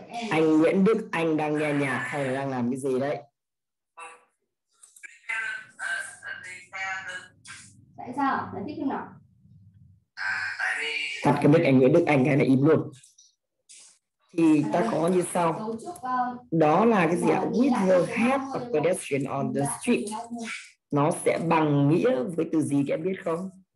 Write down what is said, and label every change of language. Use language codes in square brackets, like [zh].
[vi] Anh Nguyễn Đức Anh đang nghe nhạc hay là đang làm cái gì đấy? Tại sao? Giải thích nào? Tắt cái mic anh Nguyễn Đức Anh cái này im luôn. Thì ta có như sau. Đó là cái gì ạ? [en] With the help of pedestrian on the street. [vi] Nó sẽ bằng nghĩa với từ gì các em biết không?